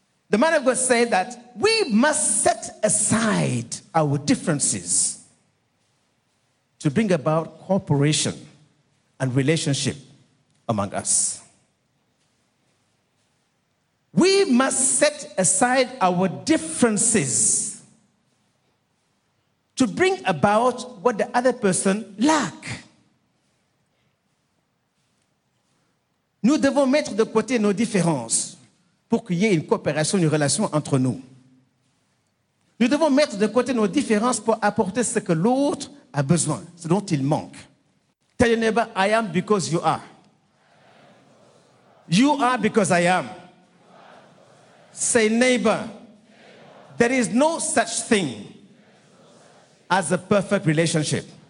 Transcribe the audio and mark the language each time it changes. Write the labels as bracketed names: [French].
[English] The man of God said that we must set aside our differences to bring about cooperation and relationship among us. We must set aside our differences to bring about what the other person lacks. [French] Nous devons mettre de côté nos différences pour qu'il y ait une coopération, une relation entre nous. Nous devons mettre de côté nos différences pour apporter ce que l'autre a besoin, ce dont il manque. [English] Tell your neighbor, I am because you are. You are because I am. Say, neighbor, there is no such thing as a perfect relationship.